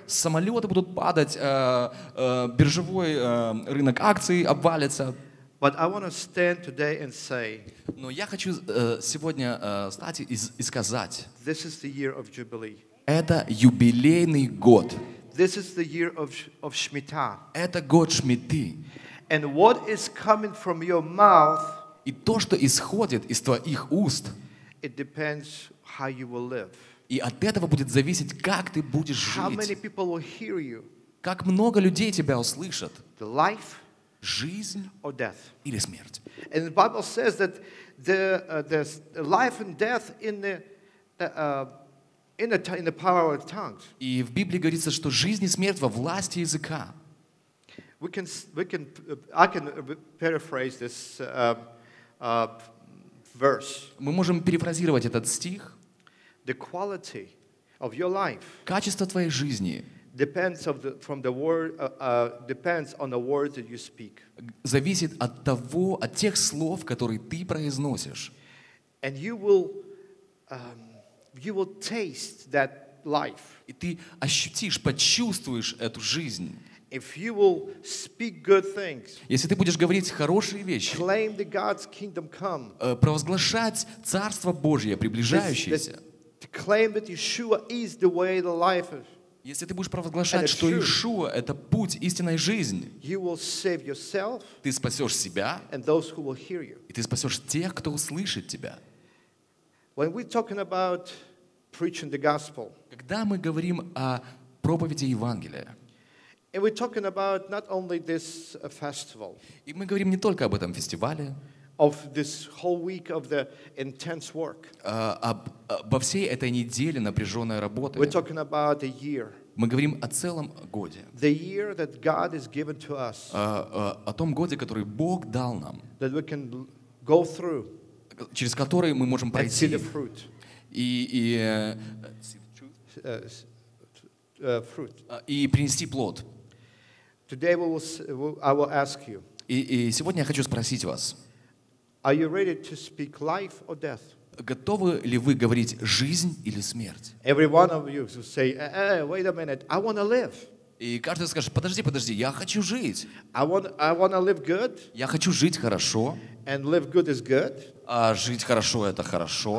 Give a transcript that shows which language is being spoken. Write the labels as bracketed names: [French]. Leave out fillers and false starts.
[Russian] Самолеты будут падать, биржевой рынок акций обвалится. [English] But I want to stand today and say. [Russian] Но я хочу сегодня встать и сказать. [English] This is the year of Jubilee. [Russian] Это юбилейный год. [English] This is the year of Shemitah. [Russian] Это год Шмиты. [English] And what is coming from your mouth? [Russian] И то, что исходит из твоих уст. [English] It depends how you will live. [Russian] И от этого будет зависеть, как ты будешь жить. [English] How many people will hear you? [Russian] Как много людей тебя услышат. [English] The life. [Russian] Жизнь [English] or death. [Russian] Или смерть. [English] And the Bible says that the life and death in the in the power of tongues. [Russian] И в Библии говорится, что жизнь и смерть во власти языка. [English] I can paraphrase this verse. [Russian] Мы можем перефразировать этот стих. [English] The quality of your life. [Russian] Качество твоей жизни. [English] Depends on the words that you speak. [Russian] Зависит от того, от тех слов, которые ты произносишь. [English] And you will taste that life. [Russian] И ты ощутишь, почувствуешь эту жизнь. [English] If you will speak good things. [Russian] Если ты будешь говорить хорошие вещи. [English] Claim the God's kingdom come. [Russian] Провозглашать царство Божье приближающееся. [English] Claim that Yeshua is the way, the life. [Russian] Если ты будешь провозглашать, что Иешуа — это путь истинной жизни, ты спасешь себя, и ты спасешь тех, кто услышит тебя. Когда мы говорим о проповеди Евангелия, и мы говорим не только об этом фестивале, обо всей этой неделе напряженной работы, мы говорим о году. Мы говорим о целом годе. [English] The year that God has given to us. [Russian] О том годе, который Бог дал нам. [English] That we can go through. [Russian] Через который мы можем пройти. [English] And see the fruit. [Russian] И принести плод. [English] Today I will ask you. [Russian] И сегодня я хочу спросить вас. [English] Are you ready to speak life or death? [Russian] Готовы ли вы говорить жизнь или смерть? [English] Every one of you will say, wait a minute, I want to live. [Russian] И каждый скажет, подожди, я хочу жить. [English] I want to live good. [Russian] Я хочу жить хорошо. [English] And live good is good. [Russian] А жить хорошо — это хорошо.